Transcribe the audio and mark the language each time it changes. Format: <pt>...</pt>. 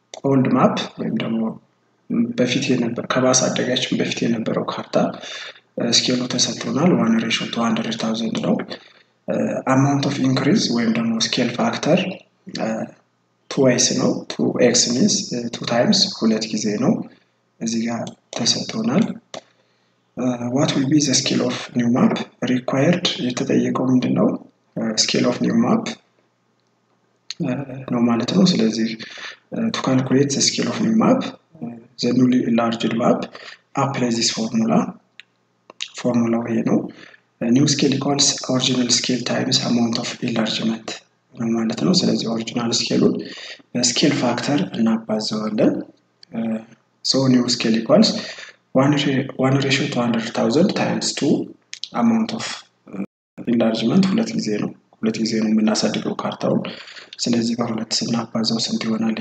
<am>ኦልድ ማፕ ወይም ደግሞ በፊት የነበረው ከባስ አደጋችን በፊት የነበረው ካርታ ስኬሉ ተሰጥቶናል 1 ሬሽዮ ቱ 100,000 ነው።</am> <en>አማውንት ኦፍ ኢንክሪዝ</en> <am>ወይም ደግሞ ስኬል ፋክተር 2x ነው።</am> <en>2x means 2 times</en> <am>ሁለት ጊዜ ነው እዚህ ጋር ተሰጥቶናል።</am> <en>what will be the scale of new map required</en> <am>የተጠየቀው ምንድነው?</am> <en>scale of new map</en> <am>ነው ማለት ነው። ስለዚህ</am> <en>to calculate the scale of new map the newly enlarged map apply this formula.</en> <am>ፎርሙላው ይሄ ነው።</am> <en>ኒው ስኬል ኢኳልስ ኦሪጂናል ስኬል ታይምስ አማውንት ኦፍ ኢንላርጅመንት</en> <am>ነው ማለት ነው። ስለዚህ ኦሪጂናል ስኬሉን በስኬል ፋክተር እናባዛዋለን። ሶ ኒው ስኬል ኢኳልስ 1 ሬሽዮ ቱ 100,000 ታይምስ 2 አማውንት ኦፍ ኢንላርጅመንት ሁለት ጊዜ ነው። ሁለት ጊዜ ነው የምናሳድገው ካርታውን። ስለዚህ በሁለት ስናባዛው ስንት ይሆናል?</am>